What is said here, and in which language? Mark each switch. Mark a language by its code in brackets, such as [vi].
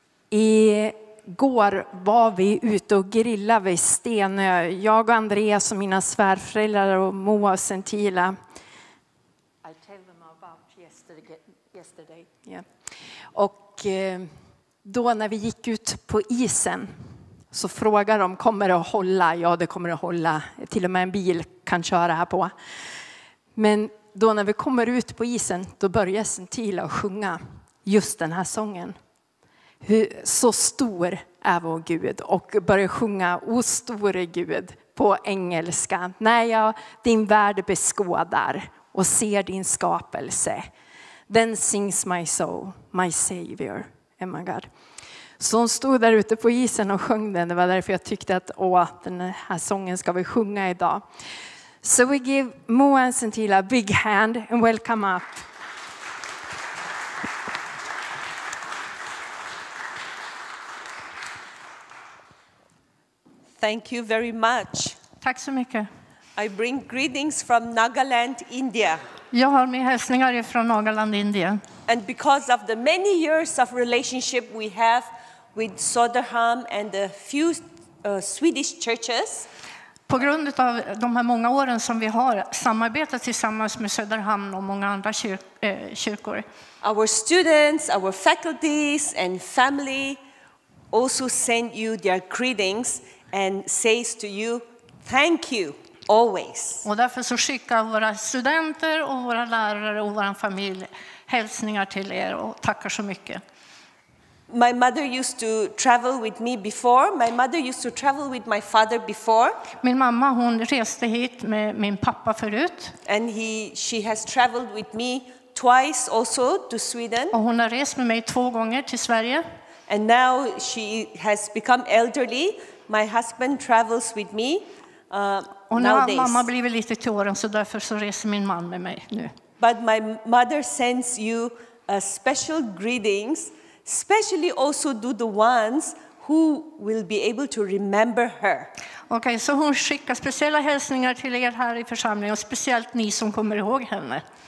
[sv] Igår var vi ute och grillade vid Stenö. Jag och Andreas och mina svärföräldrar och Moa och Sentila. [en] I tell them about yesterday. Yeah. [sv] Och då när vi gick ut på isen så frågade de, kommer det att hålla? Ja, det kommer att hålla. Till och med en bil kan köra här på. Men då när vi kommer ut på isen, då börjar Sentila att sjunga just den här sången. Hur så stor är vår Gud? Och börjar sjunga, o store Gud, på engelska. När jag din värld beskådar och ser din skapelse. [en] Then sings my soul, my savior, and my God. [sv] Så hon stod där ute på isen och sjöng den. Det var därför jag tyckte att den här sången ska vi sjunga idag. [en] So we give Moa and Sentila a big hand and welcome up. Thank you very much. [sv] Tack så mycket. [en] I bring greetings from Nagaland, India. [sv] Jag har med hälsningar från Nagaland, Indien. [en] And because of the many years of relationship we have with Söderhamn and a few Swedish churches. [sv] På grund av de här många åren som vi har samarbetat tillsammans med Söderhamn och många andra kyrkor. [en] Our students, our faculties and family also send you their greetings and says to you, thank you always. [sv] Och därför så skickar våra studenter och våra lärare och vår familj hälsningar till er och tackar så mycket. [en] My mother used to travel with me before. My mother used to travel with my father before. [sv] Min mamma, hon reste hit med min pappa förut. [en] And she has traveled with me twice also to Sweden. [sv] Och hon har rest med mig två gånger till Sverige. [en] And now she has become elderly. My husband travels with me. [sv] Och nu har mamma blivit lite till åren, så därför så reser min man med mig nu. [en] But my mother sends you a special greetings. Especially also do the ones who will be able to remember her. [sv] Okay, så hon skickar speciella hälsningar till er här i församlingen och speciellt ni som kommer ihåg henne.